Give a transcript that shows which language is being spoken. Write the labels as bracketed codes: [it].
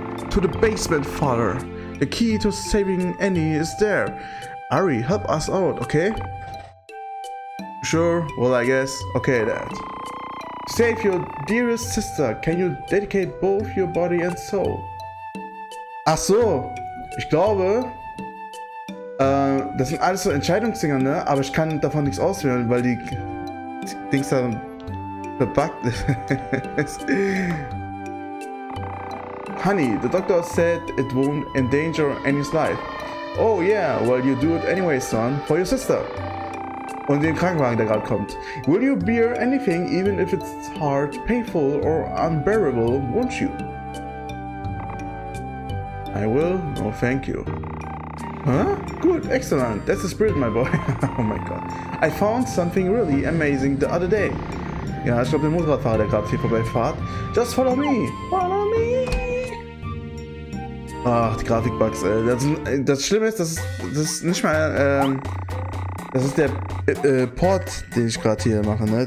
[en] To the basement, father. The key to saving Annie is there. Ari, help us out, okay? Sure, well, I guess. Okay, Dad. Save your dearest sister. Can you dedicate both your body and soul? [de] Ach so, ich glaube, das sind alles so Entscheidungsdinger, ne? Aber ich kann davon nichts auswählen, weil die Dings da verbuggt ist. [en] Honey, the doctor said it won't endanger Annie's life. Oh yeah, well you do it anyway, son, for your sister. [de] Und den Krankenwagen, der gerade kommt. [en] Will you bear anything, even if it's hard, painful or unbearable, won't you? I will, no thank you. Huh? Good, excellent. That's the spirit, my boy. Oh my god. I found something really amazing the other day. [de] Ja, ich glaube, der Motorradfahrer, der gerade hier vorbeifahrt. [en] Just follow me. Follow me. [de] Ach, die Grafikbugs, ey. Das Schlimme ist, das ist nicht mal. Das ist der Port, den ich gerade hier mache, ne?